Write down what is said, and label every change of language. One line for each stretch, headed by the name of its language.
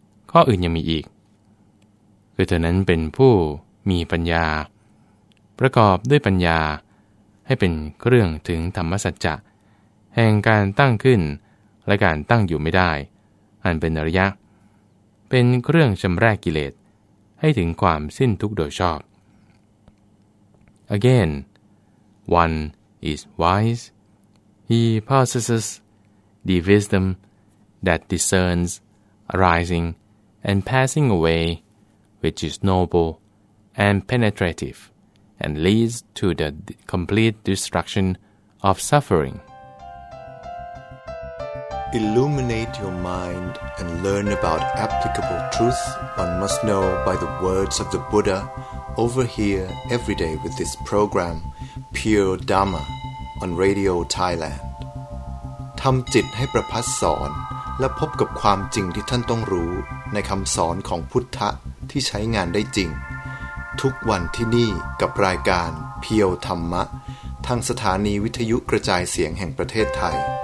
Thai: ข้ออื่นยังมีอีกคือเธอนั้นเป็นผู้มีปัญญาประกอบด้วยปัญญาให้เป็นเครื่องถึงธรรมสัจจะแห่งการตั้งขึ้นและการตั้งอยู่ไม่ได้อันเป็นอริยะเป็นเครื่องชำระกิเลสให้ถึงความสิ้นทุกข์โดยชอบ
English: Again, one is wise. He possesses the wisdom that discerns arising and passing away, which is noble and penetrative, and leads to the complete destruction of suffering. Illuminate your mind and learn about applicable truth one must know by the words of the Buddha over here every day with this program Pure Dharma on Radio Thailand
Thai: ทำจิตให้ประพัสสอนและพบกับความจริงที่ท่านต้องรู้ในคำสอนของพุทธะที่ใช้งานได้จริงทุกวันที่นี่กับรายการเพียวธรรมะทางสถานีวิทยุกระจายเสียงแห่งประเทศไทย